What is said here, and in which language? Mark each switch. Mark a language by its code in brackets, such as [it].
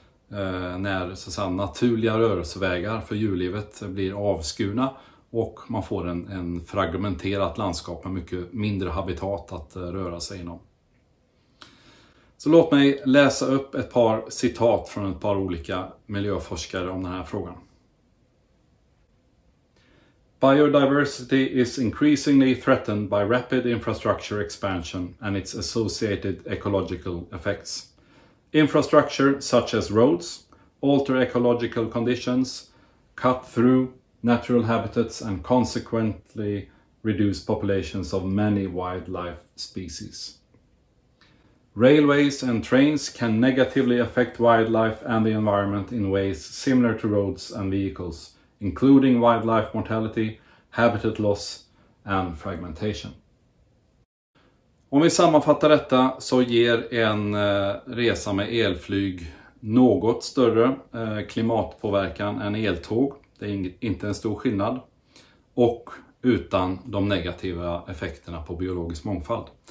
[sv] När så att säga, naturliga rörelsevägar för djurlivet blir avskurna och man får en fragmenterat landskap med mycket mindre habitat att röra sig inom. Så låt mig läsa upp ett par citat från ett par olika miljöforskare om den här frågan. [en] Biodiversity is increasingly threatened by rapid infrastructure expansion and its associated ecological effects. Infrastructure such as roads alter ecological conditions, cut through natural habitats and consequently reduce populations of many wildlife species. Railways and trains can negatively affect wildlife and the environment in ways similar to roads and vehicles, including wildlife mortality, habitat loss and fragmentation. [sv] Om vi sammanfattar detta så ger en resa med elflyg något större klimatpåverkan än eltåg. Det är inte en stor skillnad. Och utan de negativa effekterna på biologisk mångfald.